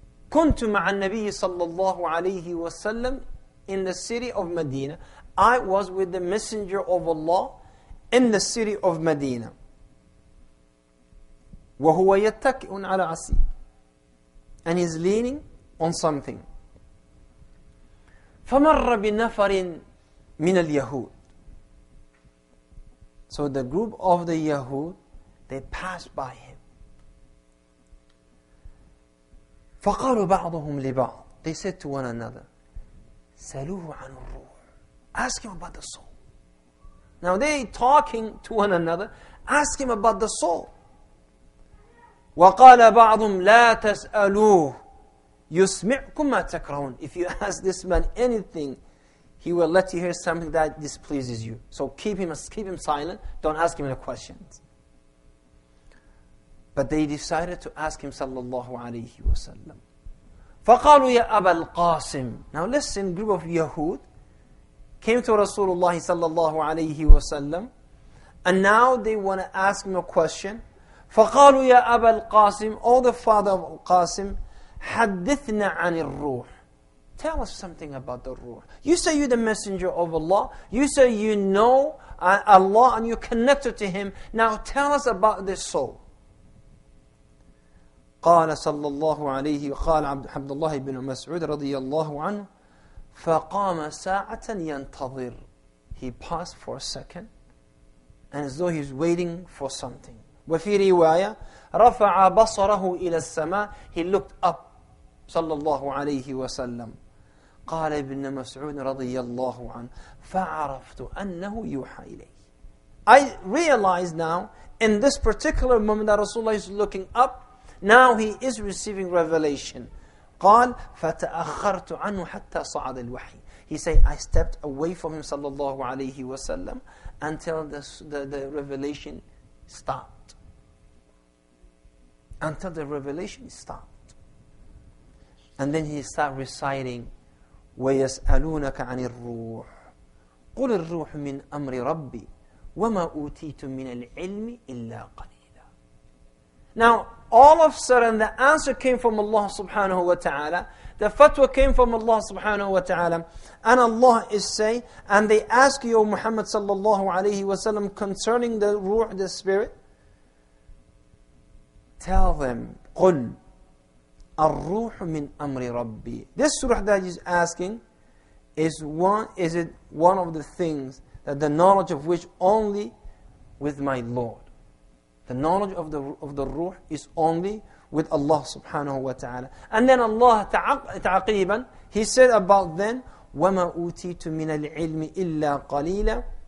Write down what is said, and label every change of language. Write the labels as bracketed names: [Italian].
[Arabic] كنت مع النبي صلى الله عليه وسلم [English] in the city of Medina. I was with the messenger of Allah in the city of Medina. [Arabic] وهو يتكئ على عصي. [English] And he's leaning on something. [Arabic] فمر بنفر من اليهود. [English] So the group of the Yahud, they passed by him. [Arabic] فقالوا بعضهم لبعض. [English] They said to one another, [Arabic] سألوه عن الروح. [English] Ask him about the soul. Now they talking to one another, ask him about the soul. [Arabic] وقال بعضهم لا تسألوه يسمعكم ما تكرهون. [English] If you ask this man anything, he will let you hear something that displeases you. So keep him silent. Don't ask him any questions. But they decided to ask him sallallahu alayhi wa sallam. [Arabic] فَقَالُوا يَا أَبَا الْقَاسِمِ. [English] Now listen, group of Yahud came to Rasulullah sallallahu alayhi wa sallam, and now they want to ask him a question. [Arabic] فَقَالُوا يَا أَبَا الْقَاسِمِ. [English] Oh, the father of Qasim, [Arabic] حَدِّثْنَا عَنِ الرُّوحِ. [English] Tell us something about the Ruh. You say you're the messenger of Allah. You say you know Allah and you're connected to Him. Now tell us about this soul. [Arabic] قال صلى الله عليه وقال عبد الله بن مسعود رضي الله عنه فقام ساعة ينتظر. [English] He paused for a second and as though he's waiting for something. [Arabic] وفي رواية رفع بصره إلى السماء. [English] He looked up [Arabic] صلى الله عليه وسلم. قال ابن مسعود رضي الله عنه فعرفت أنه يوحى إليه. [English] I realize now in this particular moment that Rasulullah is looking up, now he is receiving revelation. [Arabic] قال فتأخرت عنه حتى صعد الوحي. [English] He said, I stepped away from him [Arabic] صلى الله عليه وسلم [English] until the revelation stopped. Until the revelation stopped. And then he started reciting [Arabic] وَيَسْأَلُونَكَ عَنِ الرُّوحِ قُلِ الرُّوحُ مِنْ أَمْرِ رَبِّي وَمَا أُوتِيتُم مِنَ الْعِلْمِ إِلَّا قَلِيلًا. [English] Now, all of a sudden, the answer came from Allah subhanahu wa ta'ala. The fatwa came from Allah subhanahu wa ta'ala. And Allah is saying, and they ask you, O Muhammad sallallahu alayhi wa sallam, concerning the ruh, the spirit, tell them, [Arabic] قُلْ الروح من أمر ربي. [English] This ruh that he's asking is it one of the things that the knowledge of which only with my Lord. The knowledge of the ruh is only with Allah subhanahu wa ta'ala. And then Allah [Arabic] تعقيبا, [English] he said about then, [Arabic] وَمَا أُوتِيتُ مِنَ الْعِلْمِ إِلَّا قَلِيلًا.